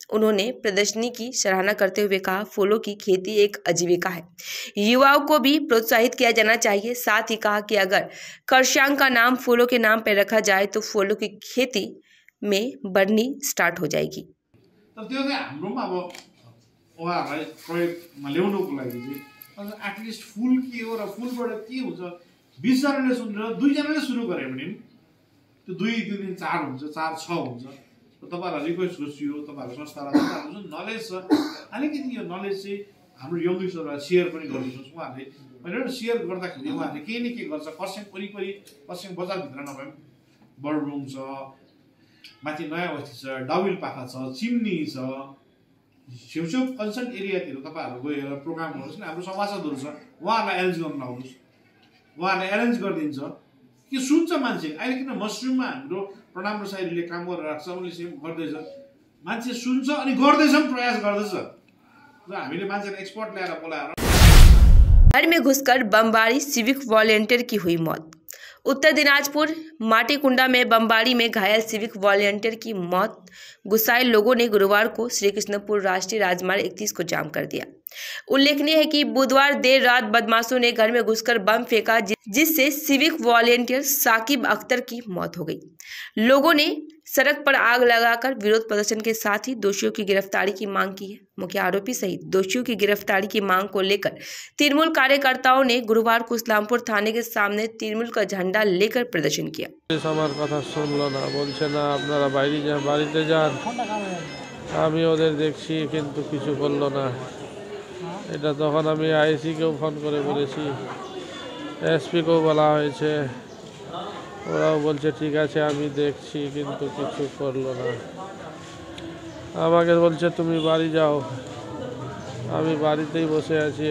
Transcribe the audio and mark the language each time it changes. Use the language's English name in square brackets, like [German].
[Hindi] उन्होंने प्रदर्शनी की सराहना करते हुए कहा, फूलों की खेती एक आजीविका है, युवाओं को भी प्रोत्साहित किया जाना चाहिए। साथ ही कहा कि अगर कर्शियांग का नाम फूलों के नाम पर रखा जाए तो फूलों की खेती में बढ़नी स्टार्ट हो जाएगी। [Nepali] उहाँहरूलाई प्रयोगमा ल्याउनुको लागि चाहिँ एटलिस्ट फुल के हो र फुलबाट के हुन्छ 20 जनाले सुनेर 2 जनाले सुरु गरे भने पनि त्यो 2-3 दिन 4 हुन्छ 4-6 हुन्छ। तपाईँहरूलाई रिक्वेस्ट गर्छु, यो तपाईँहरू संस्थालाई हुन्छ नलेज छ, अलिकति यो नलेज चाहिँ हाम्रो यङ्गिसहरूलाई सेयर पनि गरिदिनुहोस्। उहाँहरूले मैले सेयर गर्दाखेरि उहाँहरूले केही न केही गर्छ। खरसाङ वरिपरि खरसाङ बजारभित्र नभए पनि बर्डरुम छ, माथि नयाँ बस्ती छ, डबिल पाखा छ, चिम्नी छ, छेउछेउ कन्सर्न एरियातिर तपाईँहरू गएर प्रोग्राम गर्नुहोस् न। हाम्रो सभासदहरू छ, उहाँहरूलाई एरेन्ज गर्न आउनुहोस्, उहाँहरूले एरेन्ज गरिदिन्छ कि सुन्छ मान्छे। अहिले किन मसरुममा हाम्रो प्रणाम रसाईले काम गरेर राख्छ, उसले सेम गर्दैछ, मान्छे सुन्छ अनि गर्दैछ पनि, प्रयास गर्दैछ र हामीले मान्छेलाई एक्सपर्ट ल्याएर बोलाएर [Hindi] घरमै घुसकर बमबारी, सिभिक भोलिन्टियरकी हुई मौत। उत्तर दिनाजपुर माटीकुंडा में बमबारी में घायल सिविक वॉलंटियर की मौत। गुस्साए लोगों ने गुरुवार को श्रीकृष्णपुर राष्ट्रीय राजमार्ग 31 को जाम कर दिया। उल्लेखनीय है कि बुधवार देर रात बदमाशों ने घर में घुसकर बम फेंका, जिससे सिविक वॉलंटियर साकिब अख्तर की मौत हो गई। लोगों ने सड़क पर आग लगाकर विरोध प्रदर्शन के साथ ही दोषियों की गिरफ्तारी की मांग की है। मुख्य आरोपी सहित दोषियों की गिरफ्तारी की मांग को लेकर तृणमूल कार्यकर्ताओं ने गुरुवार को इस्लामपुर थाने के सामने तृणमूल का झंडा लेकर प्रदर्शन किया। कथा सुन लो ना, बोल ना, अपना भाई जान, भाई जान। [Bangla] आमी ओदेर देखछी किन्तु किछु बोललो ना। एटा तखन आमी आईसी के फोन करे बोलेछी, एसपी को बोला हयेछे, ওরাও বলছে ঠিক আছে আমি দেখছি কিন্তু কিছু করলো না। আমাকে বলছে তুমি বাড়ি যাও, আমি বাড়িতেই বসে আছি।